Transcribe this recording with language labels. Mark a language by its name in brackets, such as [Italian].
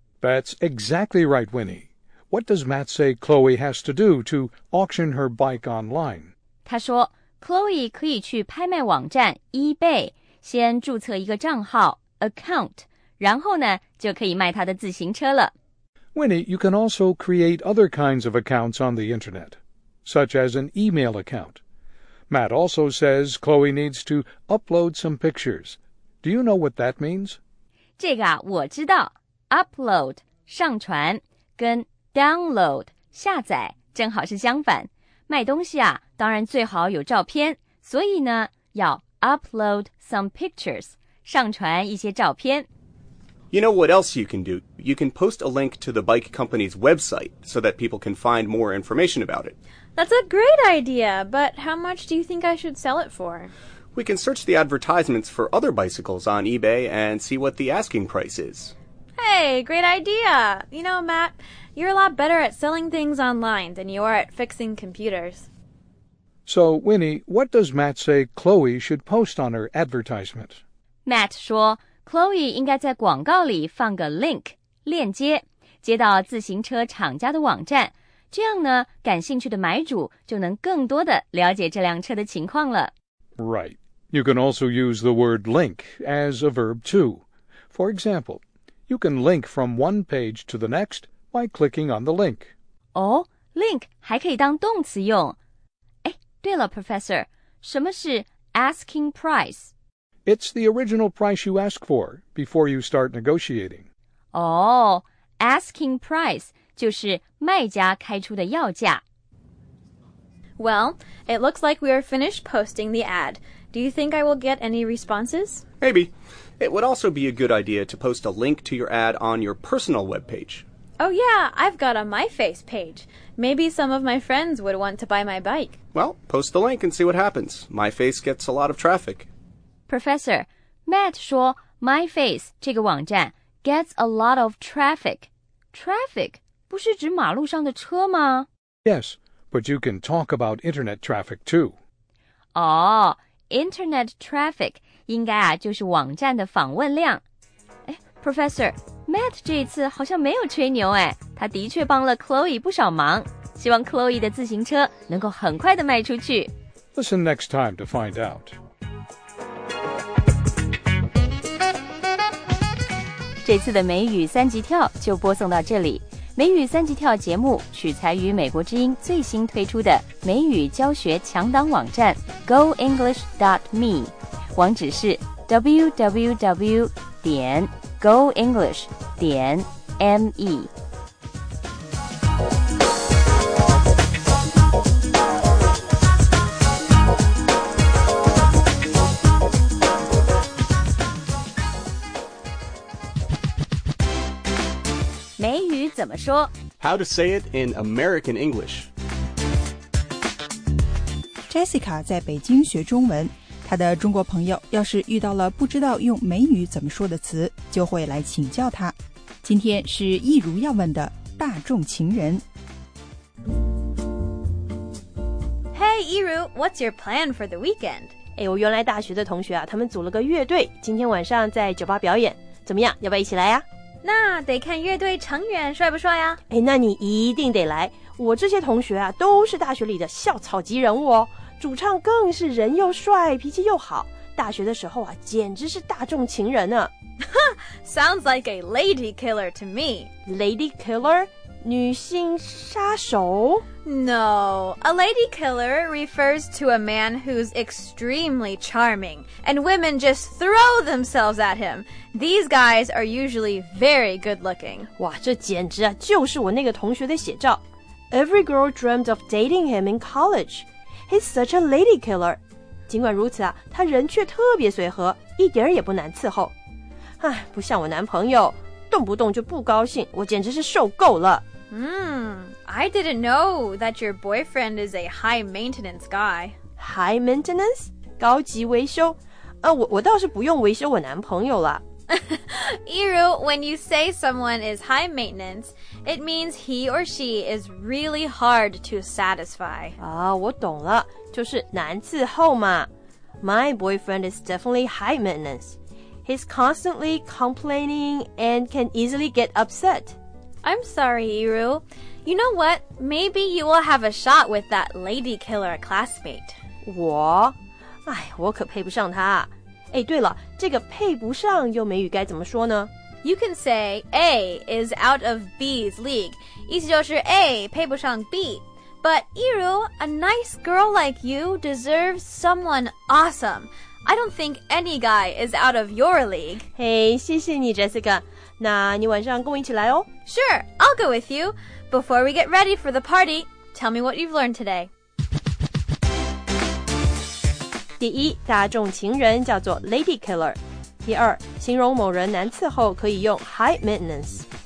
[English] That's exactly right, Winnie. What does Matt say Chloe has to do to auction her bike online? [Chinese] 他说 Chloe 可以去拍卖网站 eBay 先注册一个账号 account， 然后呢就可以卖他的自行车了。 [English] Winnie, you can also create other kinds of accounts on the internet, such as an email account. Matt also says Chloe needs to upload some pictures. Do you know what that means? [Chinese] 这个啊我知道 upload 上传跟 download 下载正好是相反，卖东西啊当然最好有照片，所以呢要 [English] upload some pictures [Chinese] 上传一些照片。 [English] You know what else you can do? You can post a link to the bike company's website so that people can find more information about it. That's a great idea, but how much do you think I should sell it for? We can search the advertisements for other bicycles on eBay and see what the asking price is. Hey, great idea! You know, Matt, you're a lot better at selling things online than you are at fixing computers. So, Winnie, what does Matt say Chloe should post on her advertisement? [Chinese] Matt 说 Chloe 应该在广告里放个 link, 链接接到自行车厂家的网站，这样呢，感兴趣的买主就能更多的了解这辆车的情况了。 [English] Right. You can also use the word link as a verb, too. For example, you can link from one page to the next by clicking on the link. [Chinese] Oh, link 还可以当动词用。哎，对了 Professor, 什么是 asking price? [English] It's the original price you ask for before you start negotiating. [Chinese] Oh, asking price 就是卖家开出的要价。 [English] Well, it looks like we are finished posting the ad. Do you think I will get any responses? Maybe. It would also be a good idea to post a link to your ad on your personal webpage. Oh yeah, I've got a MyFace page. Maybe some of my friends would want to buy my bike. Well, post the link and see what happens. MyFace gets a lot of traffic. [Chinese] Professor, Matt 说 MyFace 这个网站 [English] gets a lot of traffic. [Chinese] Traffic 不是指马路上的车吗? [English] Yes. But you can talk about internet traffic, too. [Chinese] Oh, internet traffic 应该啊就是网站的访问量。哎 ,Professor, Matt 这一次好像没有吹牛哎，他的确帮了 Chloe 不少忙，希望 Chloe 的自行车能够很快的卖出去。 [English] Listen next time to find out. [Chinese] 这次的美语三级跳就播送到这里。美语三级跳节目取材于美国之音最新推出的美语教学强档网站 goenglish.me， 网址是 www.goenglish.me。美语怎么说？ [English] How to say it in American English. [Chinese] Jessica 在北京学中文，她的中国朋友要是遇到了不知道用美语怎么说的词，就会来请教她。今天是一如要问的大众情人。 [English] Hey, 一如， what's your plan for the weekend? [Chinese] 哎，我原来大学的同学啊，他们组了个乐队，今天晚上在酒吧表演，怎么样？要不要一起来啊？那得看乐队成员帅不帅呀、啊、哎，那你一定得来，我这些同学啊都是大学里的校草级人物哦，主唱更是人又帅脾气又好，大学的时候啊简直是大众情人呢、啊、 [English] Sounds like a lady killer to me. [Chinese] Lady killer? 女性杀手？ [English] No, a lady killer refers to a man who's extremely charming, and women just throw themselves at him. These guys are usually very good-looking. 哇，这简直啊，就是我那个同学的写照。 Every girl dreamed of dating him in college. He's such a lady killer. [Chinese] 尽管如此啊，他人却特别随和，一点也不难伺候。唉，不像我男朋友，动不动就不高兴，我简直是受够了。 [English] I didn't know that your boyfriend is a high maintenance guy. [Chinese] High maintenance? 高级维修？我倒是不用维修我男朋友了。 [English] Iru, when you say someone is high maintenance, it means he or she is really hard to satisfy. [Chinese] 我懂了，就是难伺候嘛。 [English] My boyfriend is definitely high maintenance. He's constantly complaining and can easily get upset. I'm sorry, Iru. You know what? Maybe you will have a shot with that lady killer classmate. [Chinese] 我？哎，我可配不上他。哎，对了，这个配不上用美语该怎么说呢？ [English] You can say A is out of B's league. [Chinese] 意思就是 A 配不上 B. [English] But Iru, a nice girl like you deserves someone awesome. I don't think any guy is out of your league. [Chinese] 嘿，谢谢你 Jessica。那你晚上跟我一起来哦。 [English] Sure, I'll go with you. Before we get ready for the party, tell me what you've learned today. [Chinese] 第一，大众情人叫做 lady killer. 第二，形容某人难伺候可以用 high maintenance.